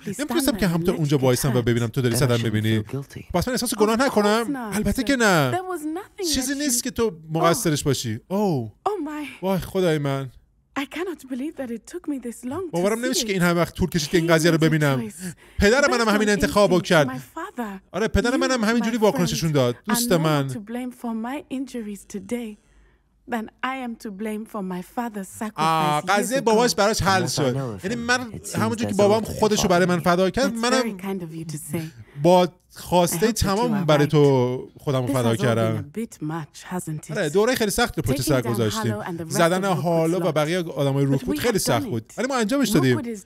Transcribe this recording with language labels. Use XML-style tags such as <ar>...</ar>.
<fa>نمیتونستم که همطور اونجا وایسم و ببینم تو داری صدم ببینی. پس من احساس گناه نکنم؟ البته که نه، چیزی نیست که تو مقصرش باشی. وای خدای من،</fa> <en>I cannot believe that it took me this long to.</en> <fa>باورم نمیشه که این همه وقت طول کشید که این قضیه رو ببینم. پدر منم همین انتخابو کرد. آره، پدر منم همینجوری واکنششون داد. دوست من.</fa> <en>I'm more to blame for my injuries today than I am to blame for my father's sacrifice.</en> <fa>آه، قضیه باباش براش حل شد. یعنی من همونجوری که بابام خودشو برای من فدا کرد، منم با خواسته تمام برای تو خودم رو فدا کردم. آره، دوره خیلی سخت رو پشت سر گذاشتیم. زدن هارلو و بقیه آدم های روکوود خیلی سخت بود، ولی ما انجامش دادیم.</fa>